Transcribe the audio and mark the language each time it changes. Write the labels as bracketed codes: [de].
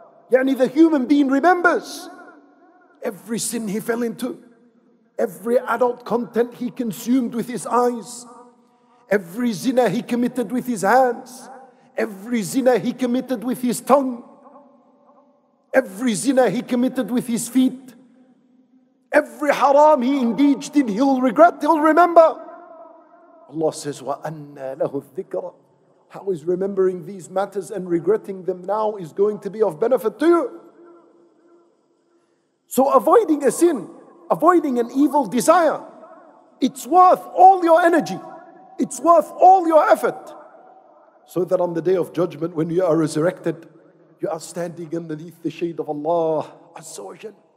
[en] يعني the human being remembers every sin he fell into, every adult content he consumed with his eyes, every zina he committed with his hands, Every zina he committed with his tongue. Every zina he committed with his feet. Every haram he engaged in, he'll regret, he'll remember. Allah says, [ar] وَأَنَّا لَهُ الذِّكْرَ. [en] How is remembering these matters and regretting them now is going to be of benefit to you? So avoiding a sin, avoiding an evil desire, it's worth all your energy. It's worth all your effort. So that on the day of judgment, when you are resurrected, you are standing underneath the shade of Allah Azza wa Jal.